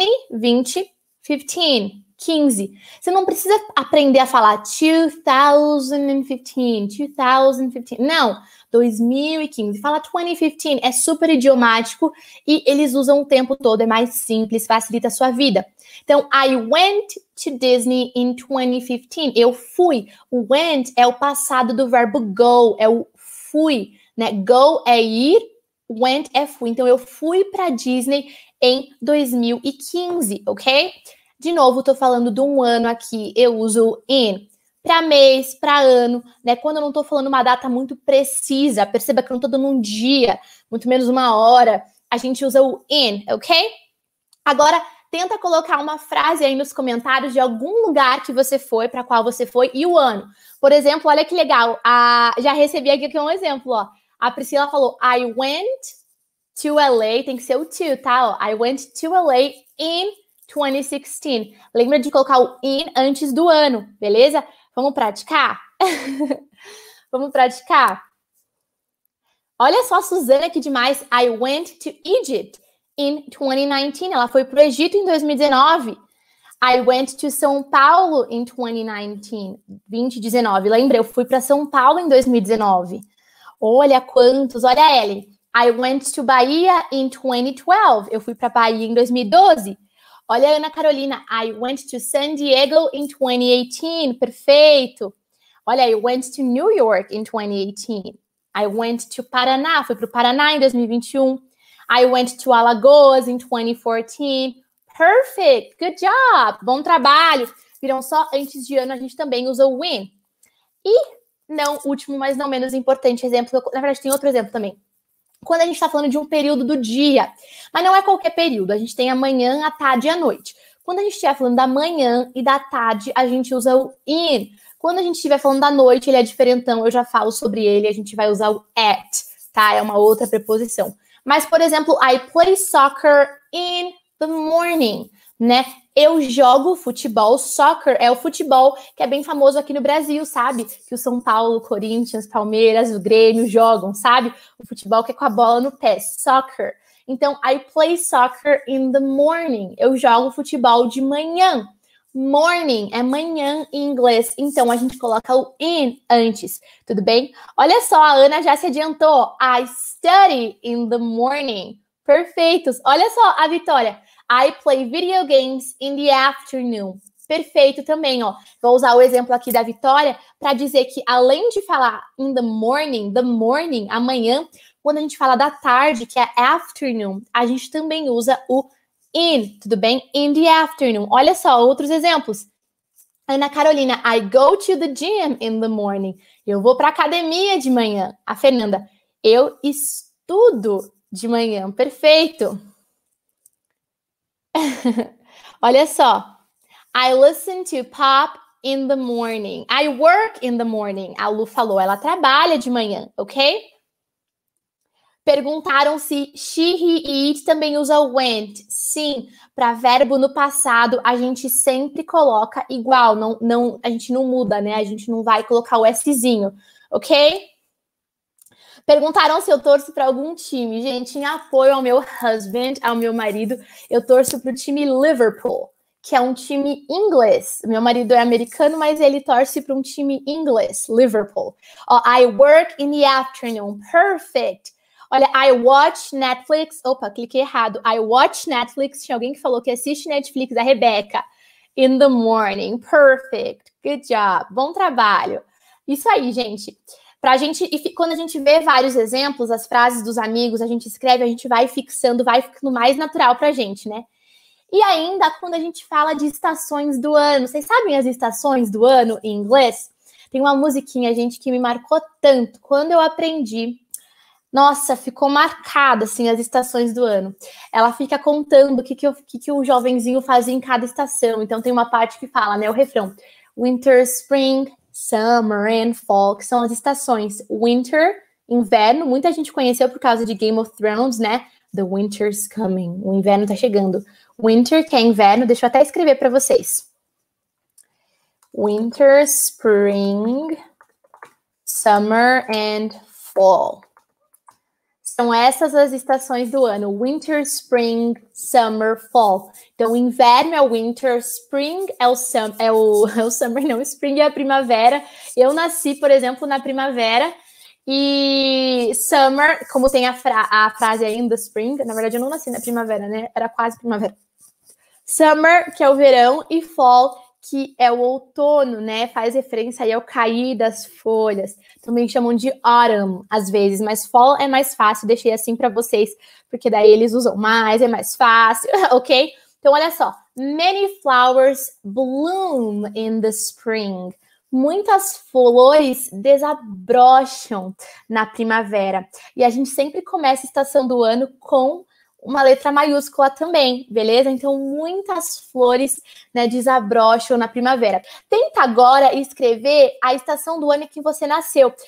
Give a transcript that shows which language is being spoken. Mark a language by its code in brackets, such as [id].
[pt] 20, 15. 15. Você não precisa aprender a falar 2015, 2015. Não, 2015. Fala 2015. É super idiomático e eles usam o tempo todo. É mais simples, facilita a sua vida. Então, [en] I went to Disney in 2015. [pt] Eu fui. O went é o passado do verbo go. É o fui, né? Go é ir, went é fui. Então, eu fui para Disney em 2015, ok? De novo, estou falando de um ano aqui. Eu uso in para mês, para ano, né? Quando eu não estou falando uma data muito precisa, perceba que eu não estou dando um dia, muito menos uma hora. A gente usa o in, ok? Agora, tenta colocar uma frase aí nos comentários de algum lugar que você foi, para qual você foi e o ano. Por exemplo, olha que legal. Já recebi aqui um exemplo, ó. A Priscila falou: [en] I went to LA. [pt] Tem que ser o to, tá? Ó, [en] I went to LA in 2016. [pt] Lembra de colocar o in antes do ano, beleza? Vamos praticar? Vamos praticar? Olha só, Suzana, que demais. [en] I went to Egypt in 2019. [pt] Ela foi para o Egito em 2019. [en] I went to São Paulo in 2019. [pt] Lembra? Eu fui para São Paulo em 2019. Olha quantos. Olha a Ellen. [en] I went to Bahia in 2012. [pt] Eu fui para Bahia em 2012. Olha a Ana Carolina, [en] I went to San Diego in 2018, perfeito. Olha, I went to New York in 2018. I went to Paraná, [pt] fui para o Paraná em 2021. [en] I went to Alagoas in 2014. Perfect, good job, [pt] bom trabalho. Viram só, antes de ano a gente também usa o when. E, não, último, mas não menos importante exemplo, na verdade tem outro exemplo também. Quando a gente está falando de um período do dia, mas não é qualquer período, a gente tem a manhã, a tarde e a noite. Quando a gente estiver falando da manhã e da tarde, a gente usa o in. Quando a gente estiver falando da noite, ele é diferentão, eu já falo sobre ele, a gente vai usar o at, tá? É uma outra preposição. Mas, por exemplo, [en] I play soccer in the morning, [pt] né? Eu jogo futebol, soccer é o futebol que é bem famoso aqui no Brasil, sabe? Que o São Paulo, Corinthians, Palmeiras, o Grêmio jogam, sabe? O futebol que é com a bola no pé, soccer. Então, [en] I play soccer in the morning. [pt] Eu jogo futebol de manhã. Morning é manhã em inglês. Então, a gente coloca o in antes, tudo bem? Olha só, a Ana já se adiantou. [en] I study in the morning. Perfeitos. [pt] Olha só a Vitória. [en] I play video games in the afternoon. [pt] Perfeito também, ó. Vou usar o exemplo aqui da Vitória para dizer que além de falar in the morning, amanhã, quando a gente fala da tarde, que é afternoon, a gente também usa o in, tudo bem? In the afternoon. Olha só, outros exemplos. Ana Carolina, I go to the gym in the morning. Eu vou para a academia de manhã. A Fernanda, eu estudo de manhã. Perfeito. Olha só. [en] I listen to pop in the morning. I work in the morning. [pt] A Lu falou, ela trabalha de manhã, ok? Perguntaram se she, he, it também usa went. Sim, para verbo no passado, a gente sempre coloca igual. Não, a gente não muda, né? A gente não vai colocar o Szinho, ok? Perguntaram se eu torço para algum time. Gente, em apoio ao meu husband, ao meu marido, eu torço para o time Liverpool, que é um time inglês. Meu marido é americano, mas ele torce para um time inglês, Liverpool. [en] Oh, I work in the afternoon. [pt] Perfect. Olha, [en] I watch Netflix. [pt] Opa, cliquei errado. [en] I watch Netflix. [pt] Tinha alguém que falou que assiste Netflix, a Rebeca. [en] In the morning. Perfect. Good job. [pt] Bom trabalho. Isso aí, gente. Pra gente, e quando a gente vê vários exemplos, as frases dos amigos, a gente escreve, a gente vai fixando, vai ficando mais natural pra gente, né? E ainda quando a gente fala de estações do ano, vocês sabem as estações do ano em inglês? Tem uma musiquinha, gente, que me marcou tanto quando eu aprendi. Nossa, ficou marcada assim as estações do ano. Ela fica contando o que, que o jovenzinho fazia em cada estação. Então tem uma parte que fala, né? O refrão: [en] Winter, Spring, Summer and Fall, [pt] que são as estações. Winter, inverno, muita gente conheceu por causa de Game of Thrones, né? [en] The Winter's Coming, [pt] o inverno tá chegando. Winter, que é inverno, deixa eu até escrever para vocês. [en] Winter, Spring, Summer and Fall. [pt] São essas as estações do ano: Winter, Spring, Summer, Fall. Então, inverno é o Winter, Spring é o Summer, não, Spring é a primavera. Eu nasci, por exemplo, na primavera. E Summer, como tem a frase aí, [en] in the Spring, [pt] na verdade eu não nasci na primavera, né? Era quase primavera. Summer, que é o verão, e Fall, que é o outono, né? Faz referência aí ao cair das folhas. Também chamam de autumn, às vezes, mas fall é mais fácil, deixei assim para vocês, porque daí eles usam mais, é mais fácil, ok? Então, olha só. [en] Many flowers bloom in the spring. [pt] Muitas flores desabrocham na primavera. E a gente sempre começa a estação do ano com uma letra maiúscula também, beleza? Então, muitas flores, né, desabrocham na primavera. Tenta agora escrever a estação do ano em que você nasceu.